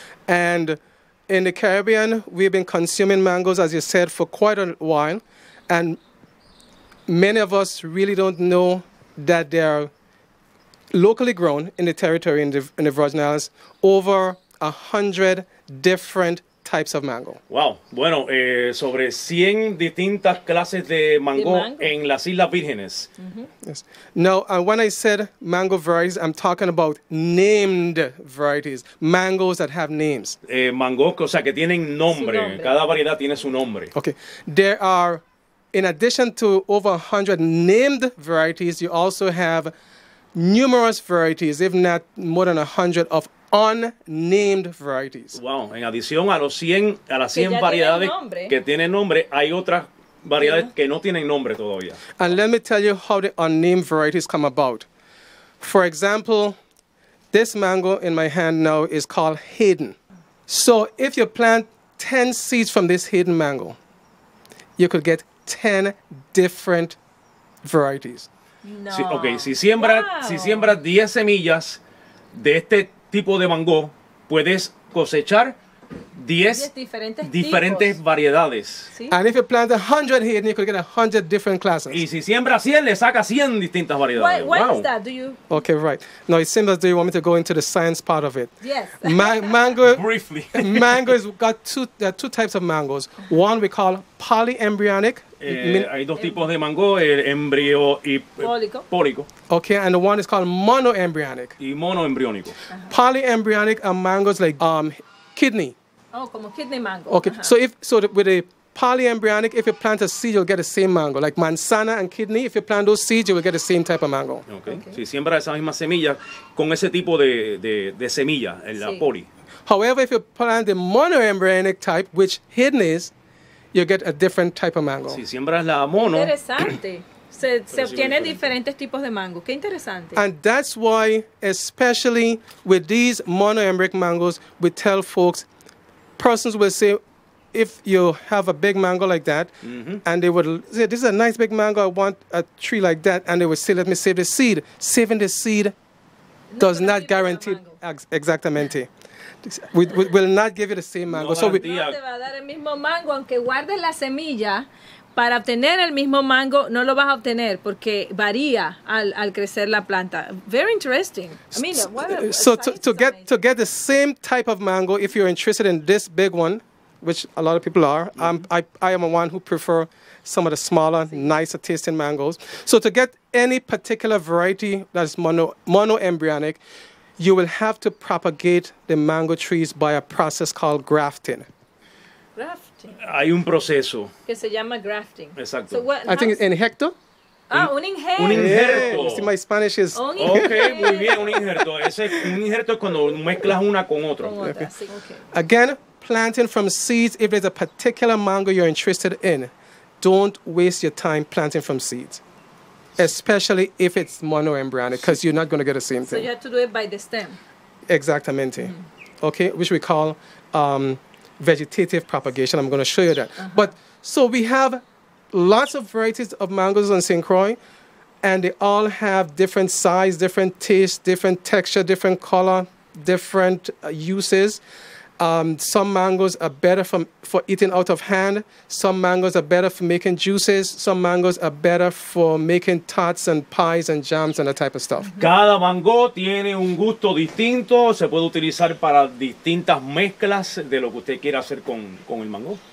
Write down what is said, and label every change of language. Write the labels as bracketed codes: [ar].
[en] And in the Caribbean, we've been consuming mangoes, as you said, for quite a while. And many of us really don't know that they are locally grown in the territory in the Virgin Islands, over 100 different types of mango. Wow. [es] Bueno, sobre 100 distintas clases de mango, en las Islas Vírgenes. [en] Mm-hmm. Yes. Now, when I said mango varieties, I'm talking about named varieties, mangoes that have names. [es] Mangos, o sea, que tienen nombre. Cada variedad tiene su nombre. [en] Okay. There are, in addition to over 100 named varieties, you also have numerous varieties, if not more than 100 of unnamed varieties. [es] Wow, en adición a los 100, a las 100 variedades tiene que tienen nombre, hay otras variedades que no tienen nombre todavía. [en] And let me tell you how the unnamed varieties come about. For example, this mango in my hand now is called Hayden. So if you plant 10 seeds from this Hayden mango, you could get 10 different varieties. No. [es] Si, okay, si siembra, wow. Si siembra 10 semillas de este tipo de mango, puedes cosechar 10 diferentes variedades. ¿Sí? [en] And if you plant 100 here, you could get 100 different classes. [es] Y si siembra 100, le saca 100 distintas variedades. [en] Why wow. Is that? Do you... Okay, right. Now, it seems as though you want me to go into the science part of it. Yes. Mango... Briefly. Mango has got two types of mangoes. One we call polyembryonic. [es] Hay dos tipos de mango, el embrio y pólico. [en] Okay, and the one is called monoembryonic. [es] Y monoembriónico. Uh-huh. [en] Polyembryonic are mangoes like kidney. [es] Oh, como kidney mango. [en] Okay, uh-huh. With a polyembryonic, if you plant a seed, you'll get the same mango. Like manzana and kidney, if you plant those seeds, you will get the same type of mango. Okay. [es] Si siembra esa misma semilla con ese tipo de semilla, en la poli. [en] However, if you plant the monoembryonic type, which Hayden is, you get a different type of mango. [es] Si siembras la mono. Interesante. Se obtiene diferentes tipos de mango. Qué interesante. [en] And that's why, especially with these monoembryonic mangoes, we tell folks, persons will say, if you have a big mango like that, and they would say, this is a nice big mango, I want a tree like that, and they would say, let me save the seed. Saving the seed does not guarantee exactamente. We will not give you the same mango. [es] No te va a dar el mismo mango, aunque guardes la semilla. Para obtener el mismo mango, no lo vas a obtener porque varía al crecer la planta. [en] Very interesting. I mean, to get the same type of mango, if you're interested in this big one, which a lot of people are, I am one who prefer some of the smaller, nicer tasting mangoes. So to get any particular variety that's mono-embryonic, you will have to propagate the mango trees by a process called grafting. Grafting. [es] Hay un proceso. Que se llama grafting. Exacto. [en] So what, I think it's injecto. [es] Un injerto. [en] Yeah. See, my Spanish is... [es] Okay, muy bien, un injerto. Un injerto es cuando mezclas una con otra. [en] Okay. Okay. Again, planting from seeds, if there's a particular mango you're interested in, don't waste your time planting from seeds. Especially if it's mono-embryonic, because you're not going to get the same thing. So you have to do it by the stem. Exactamente. Mm-hmm. Okay, which we call... vegetative propagation. I'm going to show you that. Uh-huh. But so we have lots of varieties of mangoes on St. Croix, and they all have different size, different taste, different texture, different color, different uses. Some mangoes are better for eating out of hand. Some mangoes are better for making juices. Some mangoes are better for making tarts and pies and jams and that type of stuff. [es] Cada mango tiene un gusto distinto. Se puede utilizar para distintas mezclas de lo que usted quiera hacer con el mango.